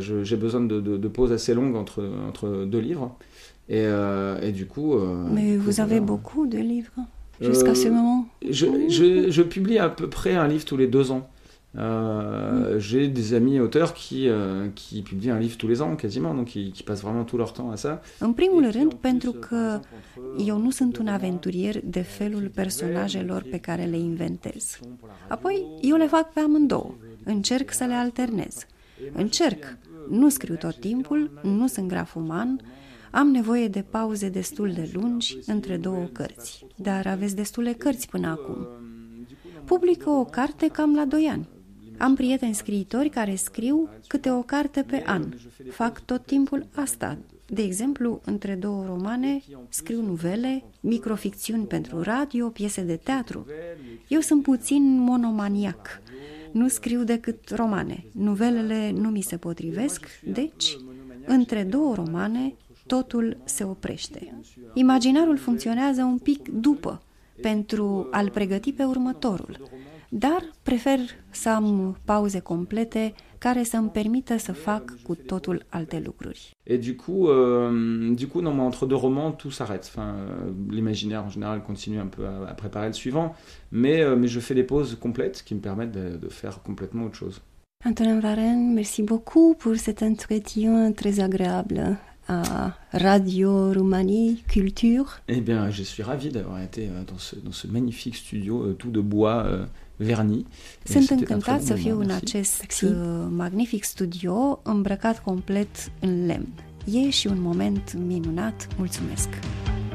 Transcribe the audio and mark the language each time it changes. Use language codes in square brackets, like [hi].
[fr] J'ai besoin de pauses assez longues entre deux livres. Et du coup. Mais vous avez beaucoup de livres jusqu'à ce moment. Je publie à peu près un livre tous les deux ans. J'ai des amis auteurs qui publient un livre tous les ans quasiment, donc qui passent vraiment tout leur temps à ça. [ro] În primul rând, pentru că eu nu sunt un aventurier de felul personajelor pe care le inventez. Apoi, eu le fac pe amândouă. Încerc să le alternez. Încerc. Nu scriu tot timpul, nu sunt grafoman, am nevoie de pauze destul de lungi între două cărți. Dar aveți destule cărți până acum. Publică o carte cam la 2 ani. Am prieteni scriitori care scriu câte o carte pe an. Fac tot timpul asta. De exemplu, între două romane, scriu nuvele, microficțiuni pentru radio, piese de teatru. Eu sunt puțin monomaniac. Nu scriu decât romane. Nuvelele nu mi se potrivesc, deci, între două romane, totul se oprește. Imaginarul funcționează un pic după, pentru a-l pregăti pe următorul. Dar prefer să am pauze complete care să îmi permită să fac cu totul alte lucruri. [fr] Et du coup non, mais entre deux romans tout s'arrête. Enfin, l'imaginaire en général continue un peu à préparer le suivant, mais je fais des pauses complètes qui me permettent de faire complètement autre chose. Antonin Varen, merci beaucoup pour cet entretien très agréable à Radio Roumanie Culture. Eh bien, je suis ravi d'avoir été dans ce magnifique studio tout de bois verni. [ro] Sunt încântat să fiu în acest magnific studio îmbrăcat complet în lemn. E și un moment minunat. Mulțumesc!